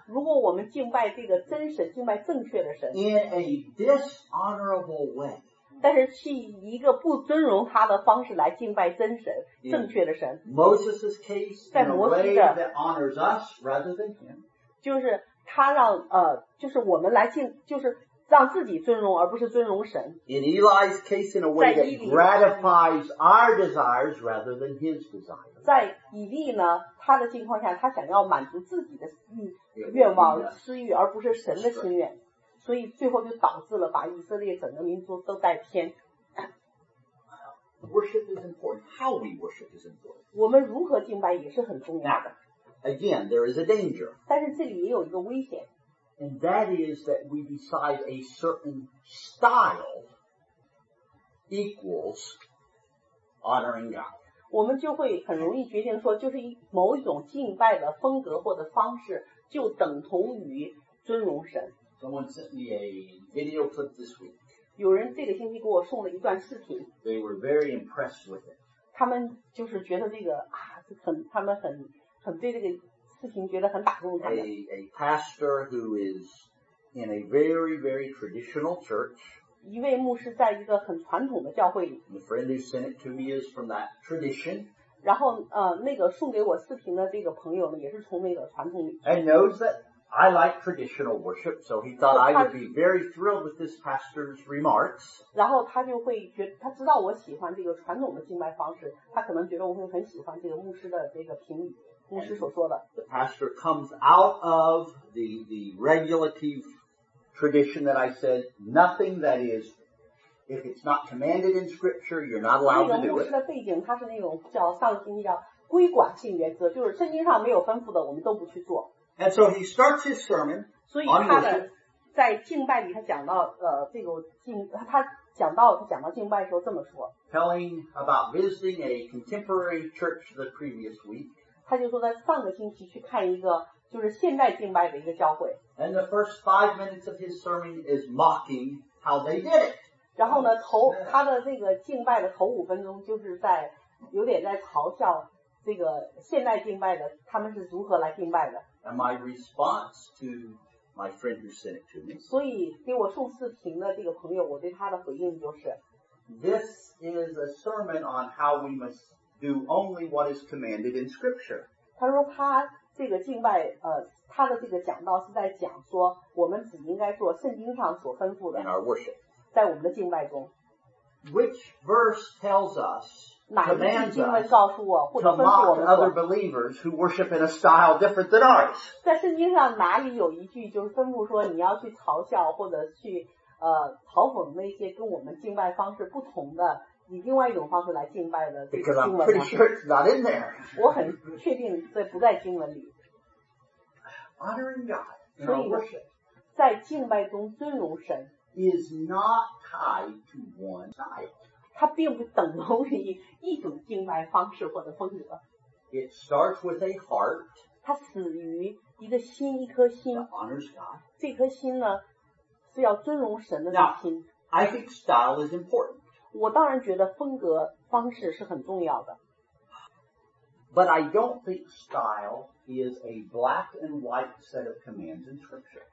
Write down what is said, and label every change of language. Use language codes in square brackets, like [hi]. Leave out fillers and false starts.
[zh] 如果我们敬拜这个真神，敬拜正确的神。 [en] In a dishonorable way. [zh] 但是去一个不尊荣他的方式来敬拜真神，正确的神。 [en] Moses' case. [zh] 在摩西的。 [en] In a way that honors us rather than him. [zh] 就是他让就是我们来敬，就是让自己尊荣，而不是尊荣神。 [en] In Eli's case, in a way that gratifies our desires rather than his desires. [zh] 在以利呢，他的情况下，他想要满足自己的愿望、私欲，而不是神的心愿，所以最后就导致了把以色列整个民族都带偏。 [en] Worship is important. How we worship is important. [zh] 我们如何敬拜也是很重要的。 [en] Again, there is a danger. [zh] 但是这里也有一个危险。 [en] And that is that we decide a certain style equals honoring God. [zh] 我们就会很容易决定说，就是某一种敬拜的风格或者方式，就等同于尊荣神。 [en] Someone sent me a video clip this week. [zh] 有人这个星期给我送了一段视频。 [en] They were very impressed with it. [zh] 他们就是觉得这个啊，他们很对这个。事情觉得很打动他们。 [en] A pastor who is in a very, very traditional church. [zh] 一位牧师在一个很传统的教会里。 [en] The friend who sent it to me is from that tradition. [zh] 然后那个送给我视频的这个朋友呢，也是从那个传统里。 [en] And knows that I like traditional worship, so he thought I would be very thrilled with this pastor's remarks. [zh] 然后他就会觉得，他知道我喜欢这个传统的敬拜方式，他可能觉得我会很喜欢这个牧师的这个评语。牧师所说的。 [en] The pastor comes out of the regulative tradition that I said, nothing that is, if it's not commanded in scripture, you're not allowed to do it. [zh] 那个牧师的背景，他是那种叫上个星期叫规管性原则，就是圣经上没有吩咐的，我们都不去做。 [en] And so he starts his sermon. [zh] 所以他的在敬拜里，他讲到这个敬他。讲到敬拜的时候这么说。 [en] Telling about visiting a contemporary church the previous week. [zh] 他就说在上个星期去看一个就是现代敬拜的一个教会。 [en] And the first 5 minutes of his sermon is mocking how they did it. [zh] 然后呢他的这个敬拜的头5分钟就是在有点在嘲笑这个现代敬拜的他们是如何来敬拜的。 [en] And my response to my friend who sent it to me. [zh] 所以给我送视频的这个朋友，我对他的回应就是 [en] This is a sermon on how we must do only what is commanded in scripture. [zh] 他说他这个敬拜他的这个讲道是在讲说我们只应该做圣经上所吩咐的。 [en] In our worship. [zh] 在我们的敬拜中。 [en] Which verse tells us, [zh] 哪一句经文告诉我或者吩咐我们 [en] to mock other believers who worship in a style different than ours? [zh] 在圣经上哪里有一句就是吩咐说你要去嘲笑或者去嘲讽那些跟我们敬拜方式不同的以另外一种方式来敬拜的经文吗？ [en] Because I'm pretty sure it's not in there. [zh] 我很确定这不在经文里。 [en] Honoring God in our worship. [zh] 在敬拜中尊荣神。 [en] Is not tied to one style. [zh] 它并不等同于一种敬拜方式或者风格。 [en] It starts with a heart. [zh] 它始于一个心，一颗心。 [en] That honors God. [zh] 这颗心呢，是要尊荣神的心。 [en] Now, I think style is important. [zh] 我当然觉得风格方式是很重要的。 [en] But I don't think style is a black and white set of commands in Scripture.